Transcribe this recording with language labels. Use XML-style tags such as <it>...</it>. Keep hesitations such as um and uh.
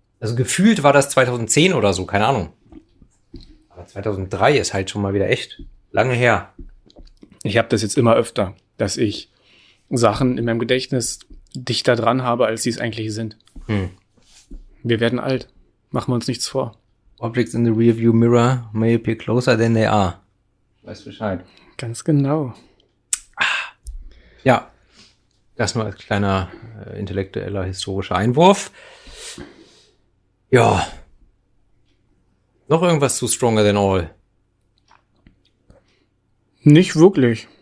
<de>Also gefühlt war das 2010 oder so, keine Ahnung. Aber 2003 ist halt schon mal wieder echt lange her. Ich habe das jetzt immer öfter, dass ich Sachen in meinem Gedächtnis dichter dran habe, als sie es eigentlich sind. Hm. Wir werden alt. Machen wir uns nichts vor.</de> <en>Objects in the rearview mirror may appear closer than they are.</en> <de>Weiß Bescheid. Ganz genau. Ja, das mal als kleiner äh, intellektueller historischer Einwurf. Ja. Noch irgendwas zu Stronger Than All? Nicht wirklich.</de>